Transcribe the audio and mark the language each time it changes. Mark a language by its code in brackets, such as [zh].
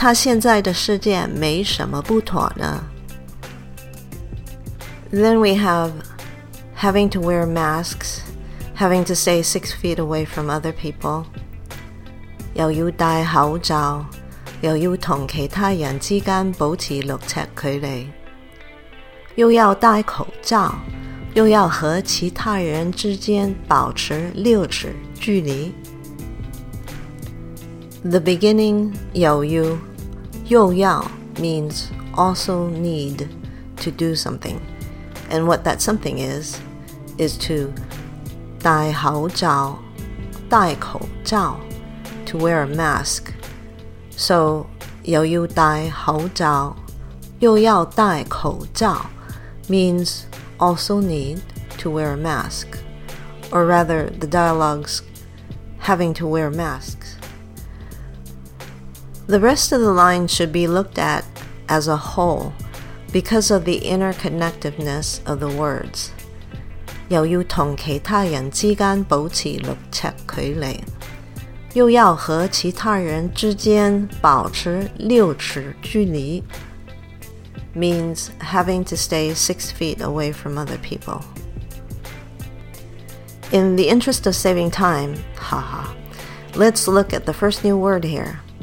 [zh] 谁能说他现在的世界没什么不妥呢? [en] Then we have having to wear masks, having to stay 6 feet away from other people. [zh] 又要戴口罩, 又要同其他人之间保持6尺距离, 又要戴口罩, 又要和其他人之间保持6尺距离. [en] The beginning, [zh] 又要, 又要 [en] means also need to do something. [zh] And what that something is to 戴口罩, 戴口罩, [en] to wear a mask. So, [zh] 又要戴口罩, 又要戴口罩, [en] means also need to wear a mask. Or rather, the dialogue's having to wear masks. The rest of the line should be looked at as a whole because of the interconnectedness of the words. [zh] 又要同其他人之间保持6尺距离, 又要和其他人之间保持6尺距离, [en] means having to stay 6 feet away from other people. In the interest of saving time, haha, let's look at the first new word here.